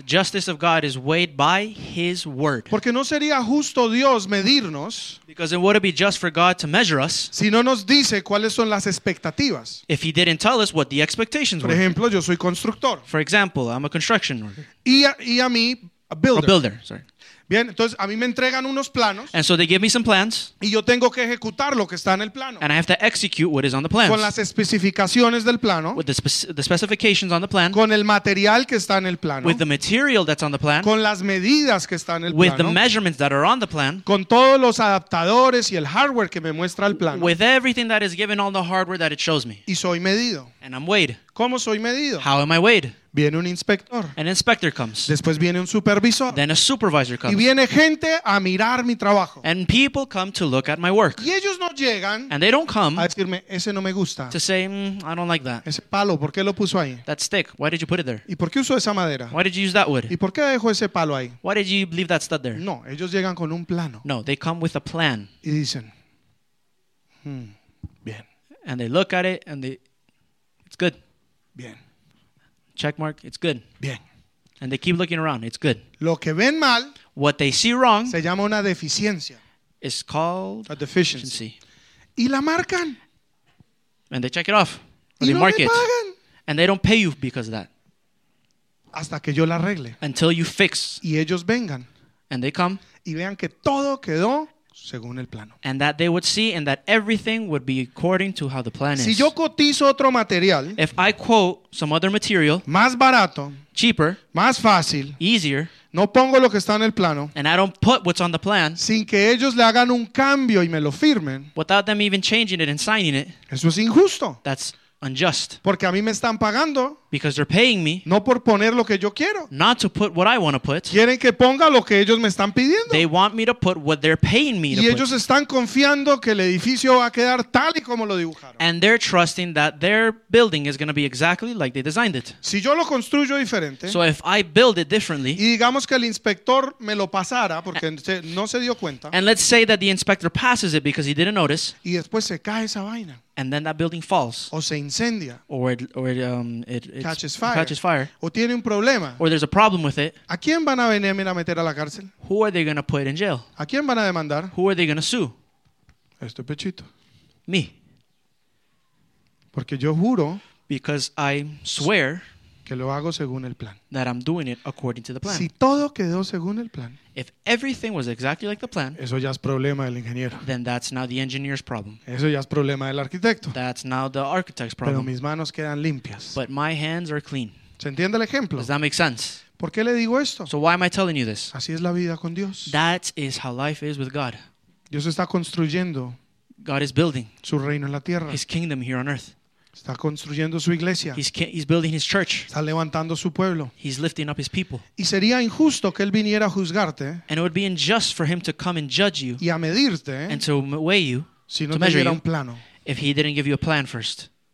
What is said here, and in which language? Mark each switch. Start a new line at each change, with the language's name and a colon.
English: The justice of God is weighed by His word.
Spanish: Porque no sería justo Dios medirnos.
English: Because it wouldn't be just for God to measure us.
Spanish: Si no nos dice cuáles son las expectativas.
English: If He didn't tell us what the expectations were.
Spanish: Por ejemplo, yo soy constructor.
English: For example, I'm a construction worker.
Spanish: Y a mí,
English: a builder.
Spanish: Bien, entonces a mí me entregan unos planos.
English: And so they give me some plans.
Spanish: Y yo tengo que ejecutar lo que está en el plano.
English: And I have to execute what is on the plans.
Spanish: Con las especificaciones del plano.
English: With the specifications on the plan.
Spanish: Con el material que está en el plano.
English: With the material that's on the plan.
Spanish: Con las medidas que están en el plano.
English: With the measurements that are on the plan.
Spanish: Con todos los adaptadores y el hardware que me muestra el plano.
English: With everything that is given, all the hardware that it shows me.
Spanish: Y soy medido.
English: And I'm weighed.
Spanish: ¿Cómo soy medido?
English: How am I weighed?
Spanish: Viene un inspector.
English: An inspector comes.
Spanish: Después viene un supervisor.
English: Then a supervisor comes.
Spanish: Y viene gente a mirar mi trabajo.
English: And people come to look at my work.
Spanish: Y ellos no llegan.
English: And they don't come.
Spanish: A decirme, ese no me gusta.
English: To say, I don't like that.
Spanish: Ese palo, ¿por qué lo puso ahí?
English: That stick, why did you put it there?
Spanish: ¿Y por qué usó esa madera?
English: Why did you use that wood?
Spanish: ¿Y por qué dejó ese palo ahí?
English: Why did you leave that stud there?
Spanish: No, ellos llegan con un plano.
English: No, they come with a plan.
Spanish: Y dicen, bien.
English: And they look at it and it's good.
Spanish: Bien.
English: Check mark, it's good.
Spanish: Bien.
English: And they keep looking around, it's good.
Spanish: Lo que ven mal,
English: what they see wrong,
Spanish: se llama una deficiencia.
English: It's called a deficiency.
Spanish: Y la marcan.
English: And they check it off.
Spanish: Y
English: they
Spanish: no
English: mark
Spanish: me
English: it.
Spanish: Pagan.
English: And they don't pay you because of that.
Spanish: Hasta que yo la arregle.
English: Until you fix.
Spanish: Y ellos vengan.
English: And they come.
Spanish: Y vean que todo quedó según el plano.
English: And that they would see and that everything would be according to how the plan is.
Spanish: Si yo cotizo otro material,
English: if I quote some other material,
Spanish: más barato,
English: cheaper,
Spanish: más fácil,
English: easier,
Spanish: no pongo lo que está en el plano,
English: and I don't put what's on the plan,
Spanish: sin que ellos le hagan un cambio y me lo firmen,
English: without them even changing it and signing it,
Spanish: eso es injusto.
English: That's unjust.
Spanish: Porque a mí me están pagando.
English: Because they're paying me.
Spanish: No por poner lo que yo quiero.
English: Not to put what I want to put.
Spanish: Quieren que ponga lo que ellos me están pidiendo.
English: They want me to put what they're paying me
Spanish: y
English: to put.
Spanish: Y ellos están confiando que el edificio va a quedar tal y como lo dibujaron.
English: And they're trusting that their building is going to be exactly like they designed it.
Spanish: Si yo lo construyo diferente.
English: So if I build it differently.
Spanish: Y digamos que el inspector me lo pasara porque no se dio cuenta.
English: And let's say that the inspector passes it because he didn't notice.
Spanish: Y después se cae esa vaina.
English: And then that building falls.
Spanish: O se incendia.
English: Or it catches fire.
Spanish: O tiene un problema.
English: Or there's a problem with it.
Spanish: ¿A quién van a venir a meter a la cárcel?
English: Who are they going to put in jail?
Spanish: ¿A quién van a demandar?
English: Who are they going to sue?
Spanish: Este pechito.
English: Me.
Spanish: Porque yo juro.
English: Because I swear.
Spanish: Que lo hago según el plan.
English: That I'm doing it according to the plan.
Spanish: Si todo quedó según el plan.
English: If everything was exactly like the plan.
Spanish: Eso ya es problema del ingeniero.
English: Then that's now the engineer's problem.
Spanish: Eso ya es problema del arquitecto.
English: That's now the architect's problem.
Spanish: Pero mis manos quedan limpias.
English: But my hands are clean.
Spanish: ¿Se entiende el ejemplo?
English: Does that make sense?
Spanish: ¿Por qué le digo esto?
English: So why am I telling you this?
Spanish: Así es la vida con Dios.
English: That is how life is with God.
Spanish: Dios está construyendo.
English: God is building.
Spanish: Su reino en la tierra.
English: His kingdom here on earth.
Spanish: Está construyendo su iglesia.
English: He's building his church.
Spanish: Está levantando su pueblo.
English: He's lifting up his people.
Spanish: Y sería injusto que él viniera a juzgarte.
English: And it would be unjust for him to come and judge you.
Spanish: Y a medirte.
English: And to weigh you.
Spanish: Si no te diera un plano.
English: If he didn't give you a plan first.